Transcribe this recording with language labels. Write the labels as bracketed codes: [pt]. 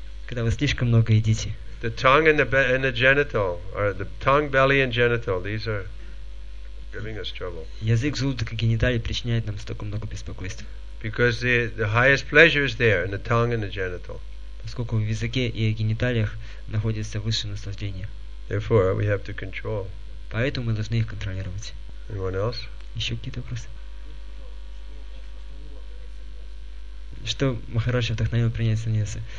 [ru] Когда вы слишком много едите. [en] The tongue and the genital, or the tongue, belly, and genital. These are giving us trouble. [ru] Язык, желудок и гениталии причиняют нам столько много беспокойств. [en] Because the highest pleasure is there in the tongue and the genital. [ru] Поскольку в языке и гениталиях находится высшее наслаждение. [en] Therefore, we have to control. [ru] Поэтому мы должны их контролировать. [en] Anyone else? [ru] Еще какие-то вопросы? Что Махарадж вдохновил принять саньясу?